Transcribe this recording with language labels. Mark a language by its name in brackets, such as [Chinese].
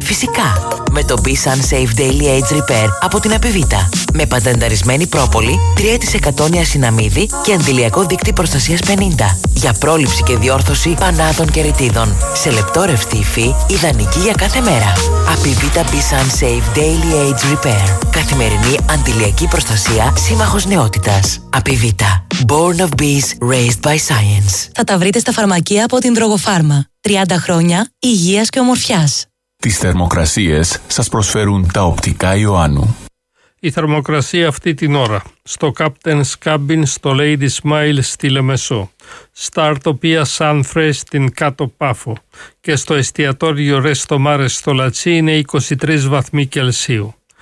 [Greek] Φυσικά, με το Bissan Safe Daily Age Repair από την Απιβίτα. Με πατενταρισμένη πρόπολη, 3% ασυναμίδη και αντιλιακό δίκτυ προστασίας 50. Για πρόληψη και διόρθωση πανάδων και ρητίδων. Σε λεπτόρευτη υφή, ιδανική για κάθε μέρα. Απιβίτα Bissan Safe Daily Age Repair. Καθημερινή αντιλιακή προστασία, σύμμαχος νεότητας. Απιβίτα. [English] Born of Bees, Raised by Science. [Greek] Θα τα βρείτε στα φαρμακεία από την Δρογοφάρμα. 30 χρόνια υγείας και ομορφιάς. Τις θερμοκρασίες σας προσφέρουν τα οπτικά Ιωάννου. Η θερμοκρασία αυτή την ώρα στο Captain's Cabin στο Lady Smile στη Λεμεσό, στα Αρτοπία Sunfresh στην Κάτω Πάφο και στο εστιατόριο Resto Mare στο Λατσί είναι 23 βαθμοί Κελσίου.